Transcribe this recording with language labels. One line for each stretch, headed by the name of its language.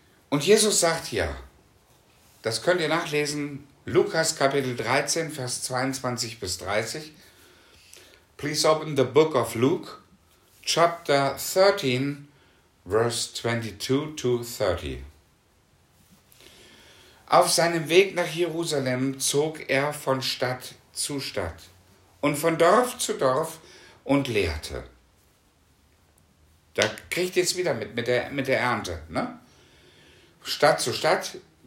German: Und Jesus sagt hier, das könnt ihr nachlesen, Lukas Kapitel 13, Vers 22 bis 30.
English: Please open the book of Luke, chapter 13, verse 22 to 30.
German: Auf seinem Weg nach Jerusalem zog er von Stadt zu Stadt und von Dorf zu Dorf und lehrte. Da kriegt ihr es wieder mit der Ernte, ne? Stadt zu Stadt.